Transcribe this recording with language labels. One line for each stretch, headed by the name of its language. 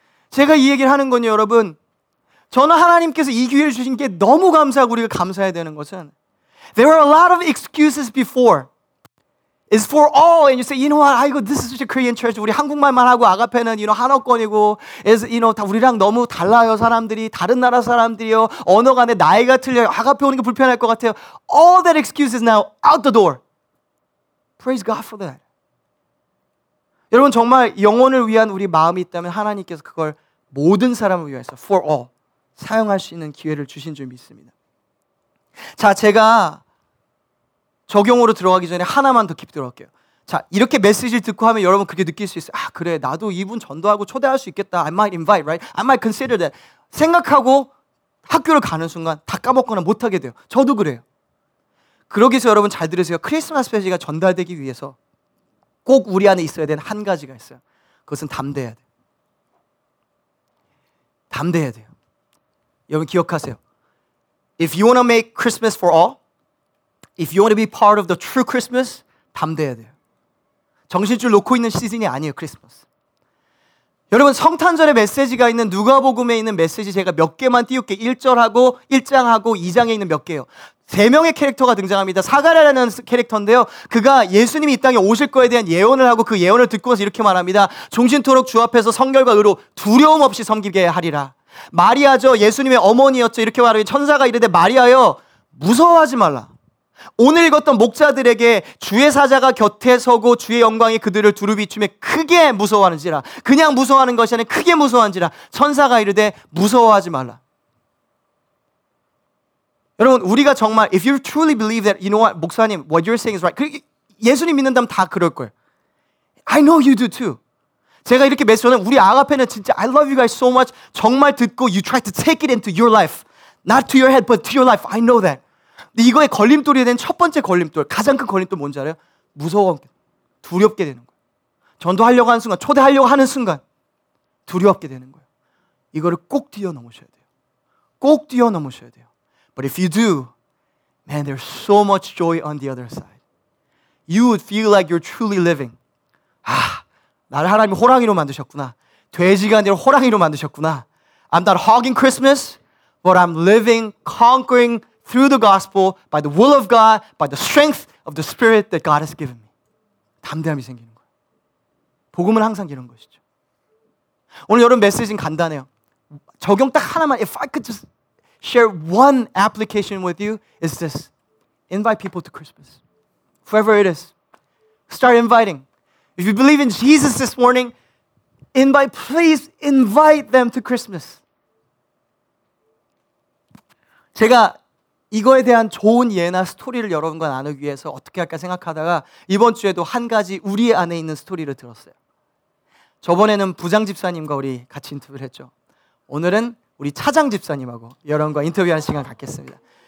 Korean: 제가 이 얘기를 하는 건요 여러분, 저는 하나님께서 이 기회를 주신 게 너무 감사하고 우리가 감사해야 되는 것은
English: There are a lot of excuses before. It's for all. And you say, you know what?
Korean: 아이고,
English: this is such a Korean church.
Korean: 우리 한국말만 하고 아가페는 you know, 한어권이고 is, you know, 다 우리랑 너무 달라요, 사람들이. 다른 나라 사람들이요. 언어 간에 나이가 틀려요. 아가페 오는 게 불편할 것 같아요.
English: All that excuse is now out the door. Praise God for that.
Korean: 여러분, 정말 영혼을 위한 우리 마음이 있다면 하나님께서 그걸 모든 사람을 위해서 for all 사용할 수 있는 기회를 주신 줄 믿습니다. 자, 제가 적용으로 들어가기 전에 하나만 더 깊이 들어갈게요. 자, 이렇게 메시지를 듣고 하면 여러분 그렇게 느낄 수 있어요. 아, 그래, 나도 이분 전도하고 초대할 수 있겠다.
English: I might invite, right? I might consider that.
Korean: 생각하고 학교를 가는 순간 다 까먹거나 못하게 돼요. 저도 그래요. 그러기서 여러분 잘 들으세요. 크리스마스 메시지가 전달되기 위해서 꼭 우리 안에 있어야 되는 한 가지가 있어요. 그것은 담대해야 돼요. 담대해야 돼요. 여러분 기억하세요.
English: If you want to make Christmas for all, if you want to be part of the true Christmas,
Korean: 담대해야 돼요. 정신줄 놓고 있는 시즌이 아니에요, 크리스마스. 여러분, 성탄절에 메시지가 있는 누가복음에 있는 메시지 제가 몇 개만 띄울게요. 1절하고 1장하고 2장에 있는 몇 개요. 세 명의 캐릭터가 등장합니다. 사가랴라는 캐릭터인데요. 그가 예수님이 이 땅에 오실 거에 대한 예언을 하고 그 예언을 듣고서 이렇게 말합니다. 종신토록 주 앞에서 성결과 의로 두려움 없이 섬기게 하리라. 마리아죠. 예수님의 어머니였죠. 이렇게 말하니 천사가 이르되 마리아여 무서워하지 말라. 오늘 읽었던 목자들에게 주의 사자가 곁에 서고 주의 영광이 그들을 두루 비추며 크게 무서워하는지라. 그냥 무서워하는 것이 아니라 크게 무서워하는지라. 천사가 이르되 무서워하지 말라. 여러분, 우리가 정말
English: if you truly believe that, you know what, 목사님, what you're saying is right.
Korean: 예수님 믿는다면 다 그럴 거예요.
English: I know you do too.
Korean: 제가 이렇게 메시지는 우리 아가페는 진짜
English: I love you guys so much.
Korean: 정말 듣고
English: you try to take it into your life. Not to your head, but to your life. I know that.
Korean: 근데 이거에 걸림돌이 된 첫 번째 걸림돌, 가장 큰 걸림돌 뭔지 알아요? 무서워, 두렵게 되는 거예요. 전도하려고 하는 순간, 초대하려고 하는 순간 두렵게 되는 거예요. 이거를 꼭 뛰어넘으셔야 돼요. 꼭 뛰어넘으셔야 돼요.
English: But if you do, man, there's so much joy on the other side. You would feel like you're truly living.
Korean: 아, 나를 하나님이 호랑이로 만드셨구나. 돼지가 아니라 호랑이로 만드셨구나.
English: I'm not hogging Christmas, but I'm living, conquering through the gospel, by the will of God, by the strength of the spirit that God has given me.
Korean: 담대함이 생기는 거예요. 복음은 항상 이런 것이죠. 오늘 여러분 메시지는 간단해요. 적용 딱 하나만,
English: if I could just share one application with you, is this. Invite people to Christmas. Whoever it is, start inviting. If you believe in Jesus this morning, please invite them to Christmas. 제가
Korean: 이거에 대한 좋은 예나 스토리를 여러분과 나누기 위해서 어떻게 할까 생각하다가 이번 주에도 한 가지 우리 안에 있는 스토리를 들었어요. 저번에는 부장 집사님과 우리 같이 인터뷰를 했죠. 오늘은 우리 차장 집사님하고 여러분과 인터뷰한 시간 갖겠습니다.